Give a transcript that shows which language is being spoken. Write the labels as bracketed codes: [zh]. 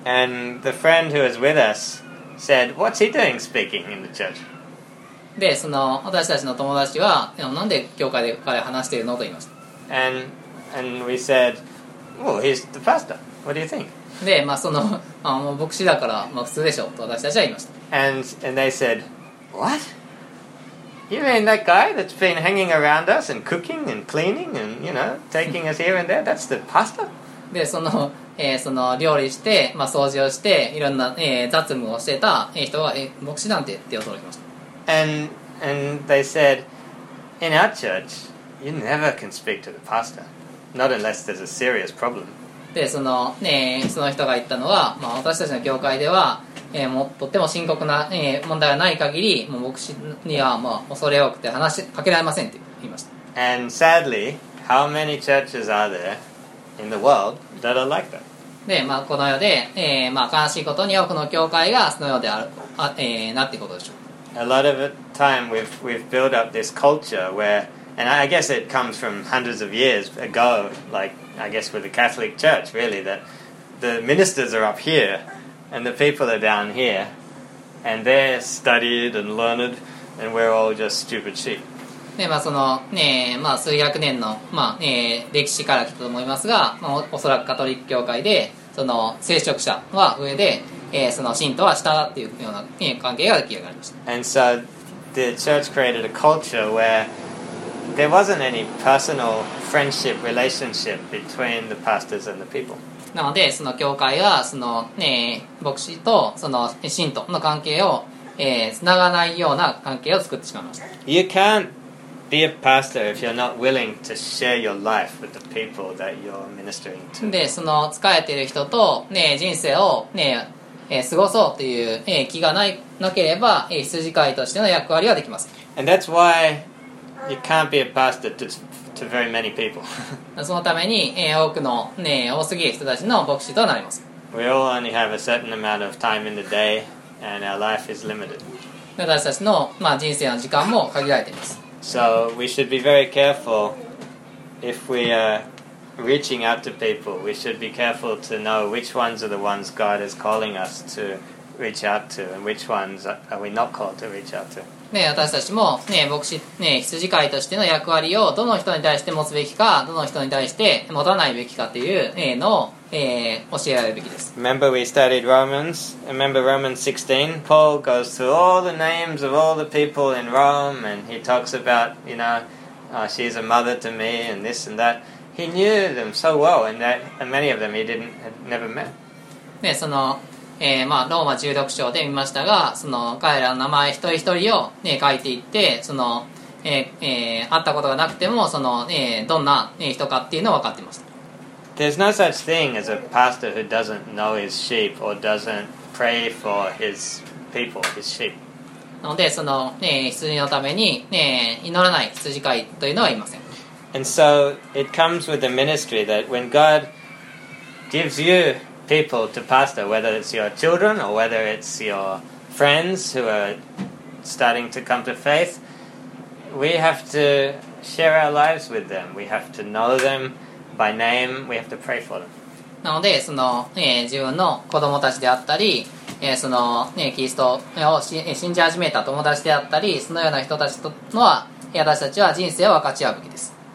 [en] And the friend who was with us said, what's he doing speaking in the church? [ja] で、その私たちの友達は、なんで教会で彼話しているのと言いました。 [en] And we said, well, he's the pastor. What do you think? [ja] で、まあ、その、あの、牧師だから、まあ、普通でしょうと私たちは言いました。 [en] And they said, what? You mean that guy that's been hanging around us and cooking and cleaning and, you know, taking us here and there? That's the pastor? [ja] で、その、その料理して、まあ、掃除をして、いろんな、雑務をしてた人は、牧師なんて言って驚きました。 [en] And they said, in our church, you never can speak to the pastor, not unless there's a serious problem. [ja] で、その、ね、その人が言ったのは、まあ、私たちの教会では、もとっても深刻な、問題がない限り、もう牧師には、まあ、恐れ多くて話しかけられませんって言いました。 [en] And sadly, how many churches are there in the world that are like that? [ja] で、まあ、この世で、まあ、悲しいことに多くの教会がそのようである、なってことでしょう。 [en] A lot of time we've built up this culture where, and I guess it comes from hundreds of years ago, like I guess with the Catholic Church really, that the ministers are up here and the people are down here and they're studied and learned and we're all just stupid sheep. [ja] ね、まあそのね、まあ数百年の、まあ歴史から来たと思いますが、まあ、おそらくカトリック教会でその聖職者は上で、その信徒は下だっていうような関係が出来上がりました。 [en] And so the church created a culture where there wasn't any personal friendship relationship between the pastors and the people. [ja] なのでその教会はその、牧師とその信徒の関係を、繋がないような関係を作ってしまいました。 [en] You can't be a pastor if you're not willing to share your life with the people that you're ministering to. [ja] でその仕えている人と、人生を、過ごそうという、気が なければ、羊飼いとしての役割はできます。 [en] And that's why you can't be a pastor to very many people. [ja] そのために、多くの、多すぎる人たちの牧師となります。 [en] We all only have a certain amount of time in the day, and our life is limited. [ja] 私たちの、まあ、人生の時間も限られています。 [en] So we should be very careful if we areReaching out to people, we should be careful to know which ones are the ones God is calling us to reach out to, and which ones are we not called to reach out to. [ja] ね、私たちもね、牧師ね、羊飼いとしての役割をどの人に対して持つべきか、どの人に対して持たないべきかという、のを、教えられるべきです。 [en] Remember we studied Romans. Remember Romans 16. Paul goes through all the names of all the people in Rome, and he talks about, you know, she's a mother to me, and this and that. He knew them so well, and that and many of them he didn't had never met. [ja] ね、その、まあローマ16章で見ましたが、その彼らの名前一人一人をね書いていって、その、会ったことがなくてもその、どんな、人かっていうのを分かっていました。 [en] There's no such thing as a pastor who doesn't know his sheep or doesn't pray for his people, his sheep. [ja] なのでその、羊のために、祈らない羊飼いというのはいません。 [en] And so it comes with the ministry that when God gives you people to pastor, whether it's your children or whether it's your friends who are starting to come to faith, we have to share our lives with them. We have to know them by name. We have to pray for them. [ja] なので、その、自分の子供たちであったり、その、キリストを信じ始めた友達であったり、そのような人たちとのは、私たちは人生を分かち合うべきです。